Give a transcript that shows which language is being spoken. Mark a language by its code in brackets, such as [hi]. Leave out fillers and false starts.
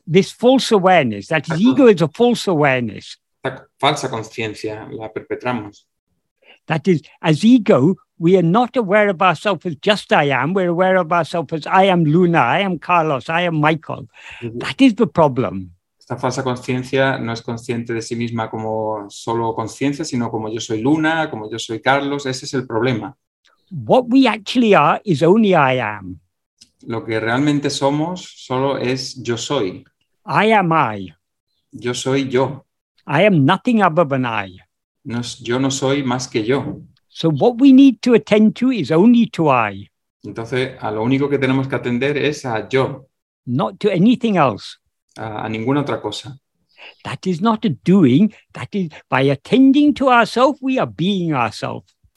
[en] This false awareness, that is, ego is a false awareness. [es] Esta falsa consciencia la perpetramos. [en] That is, as ego, we are not aware of ourselves as just I am, we're aware of ourselves as I am Luna, I am Carlos, I am Michael. Mm-hmm. That is the problem. [es] Esta falsa conciencia no es consciente de sí misma como solo conciencia, sino como yo soy Luna, como yo soy Carlos. Ese es el problema. [en] What we actually are is only I am. [es] Lo que realmente somos solo es yo soy. [en] I am I. [es] Yo soy yo. [en] I am nothing other than I. [es] No, yo no soy más que yo. [en] So what we need to attend to is only to I. [es] Entonces, a lo único que tenemos que atender es a yo. [en] Not to anything else. [es] A ninguna otra cosa. [en] That is not a doing, that is, by attending to ourselves, we are being ourselves.